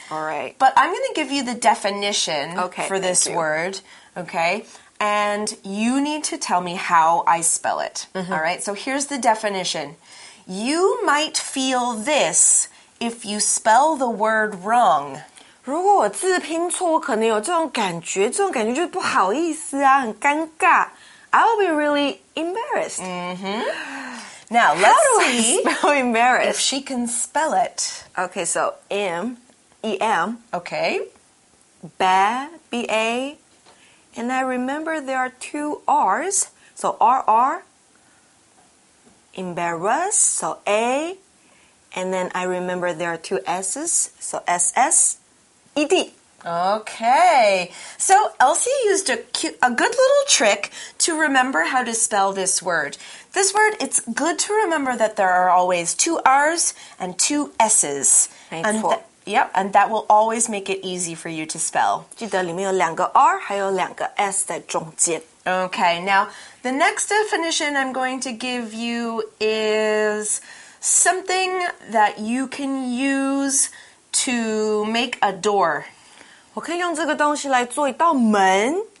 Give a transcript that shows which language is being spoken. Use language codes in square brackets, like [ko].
[en] All right. But I'm going to give you the definition okay, for this word. Okay. And you need to tell me how I spell it. Mm-hmm. All right, so here's the definition. You might feel this if you spell the word wrong. [zh] 如果我字拼错，我可能有这种感觉就是不好意思啊，很尴尬。 [en] I'll be really embarrassed. Mm-hmm. Now, let's see how do I spell embarrassed? If she can spell it. Okay, so M-E-M. Okay. B-A. And I remember there are two R's. So R-R. Embarrassed, so A. And then I remember there are two S's. So S-S. E-D. Okay, so Elsie used a good little trick to remember how to spell this word. This word, it's good to remember that there are always two R's and two S's. [zh] 没错。 [en] And that will always make it easy for you to spell. [zh] 记得里面有两个 R 还有两个 S 在中间。 [en] Okay, now the next definition I'm going to give you is something that you can use to make a door. [zh] 我可以用这个东西来做一道门。